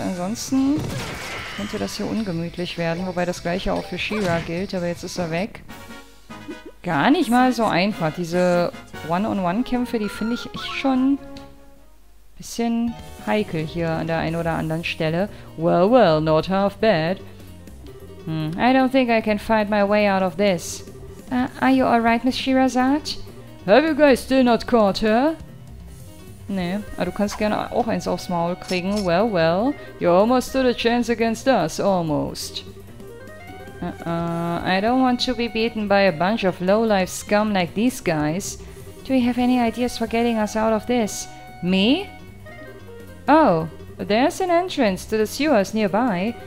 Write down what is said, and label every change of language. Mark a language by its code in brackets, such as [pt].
[de] Ansonsten könnte das hier ungemütlich werden. Wobei das Gleiche auch für She-Ra gilt, aber jetzt ist er weg. Gar nicht mal so einfach. Diese One-on-One-Kämpfe, die finde ich echt schon ein bisschen heikel hier an der einen oder anderen Stelle. [en] Well, well, not half bad. I don't think I can find my way out of this. Are you alright, Miss Shirazad? Have you guys still not caught her? [de] Nee, aber du kannst gerne auch eins aufs Maul kriegen. [en] Well, well, you almost stood a chance against us, almost. I don't want to be beaten by a bunch of low-life scum like these guys. Do you have any ideas for getting us out of this? Me? Oh, there's an entrance to the sewers nearby.